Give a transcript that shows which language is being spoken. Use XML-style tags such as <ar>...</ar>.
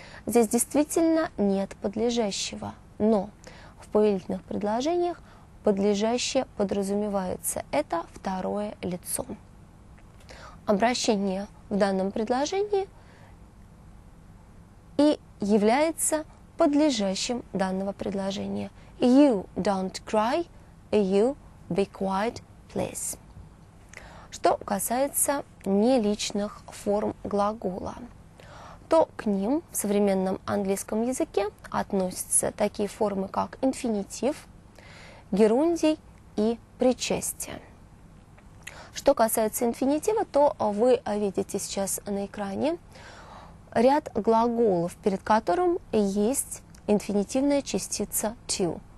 <ru>Здесь действительно нет подлежащего, но в повелительных предложениях подлежащее подразумевается, это второе лицо. Обращение в данном предложении и является подлежащим данного предложения.</ru> <en>You don't cry, you be quiet, please.</en> <ru>Что касается неличных форм глагола, то к ним в современном английском языке относятся такие формы, как инфинитив, герундий и причастие. Что касается инфинитива, то вы видите сейчас на экране ряд глаголов, перед которым есть инфинитивная частица to.</ru>